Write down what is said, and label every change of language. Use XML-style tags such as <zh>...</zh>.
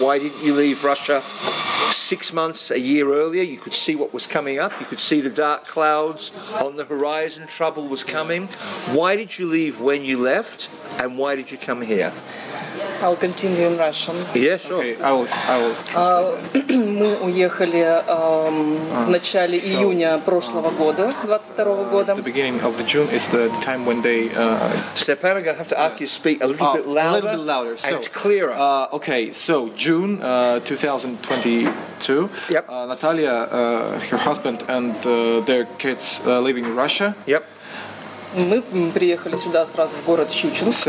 <en>Why didn't you leave Russia 6 months, a year earlier? You could see what was coming up. You could see the dark clouds on the horizon. Trouble was coming. Why did you leave when you left? And why did you come here? I'll continue in Russian. Yeah, sure. Okay, I will</en> <ru>мы уехали в начале июня прошлого года, 22-го года.</ru> <en>The beginning of the June is the time when they... Stepan, I'm going to have to ask you to speak a little bit louder. A little bit louder. So, and clearer. Okay, so June 2022. Yep. Natalia, her husband and their kids living in Russia. Yep.</en> <ru>Мы приехали сюда сразу в город Щучинск.</ru>